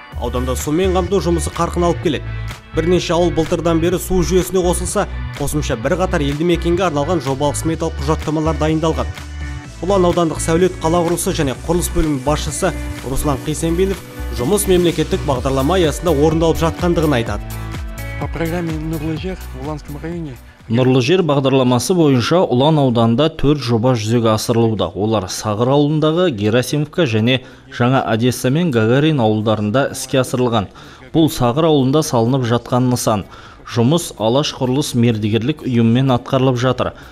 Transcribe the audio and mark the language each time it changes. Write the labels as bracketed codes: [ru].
[kk] Ауданда сумен қамту жұмысы қарқын алып келеді. Бірнеше ауыл былтырдан бері су жүйесіне қосылса, қосымша бір қатар елді мекенге арналған жобалық сметалық құжаттамалар дайындалған. Ұлан аудандық сәулет қала құрылысы және құрылыс бөлімі басшысы Руслан Қисенбелов жұмыс мемлекеттік бағдарлама аясында орындалып жатқандығын айтады. [ru] По программе «Нұрлы жер» в Уланском районе. [kk] Нұрлы жер бағдарламасы бойынша Ұлан ауданында 4 жоба жүзеге асырылуда. Олар Сағыр ауылындағы Герасимовка және жаңа Одесса мен Гагарин ауылдарында іске асырылған. Бұл Сағыр ауылында салынып жатқан нысан. Жұмыс Алаш құрылыс мердігерлік ұйымымен атқарылып жатыр.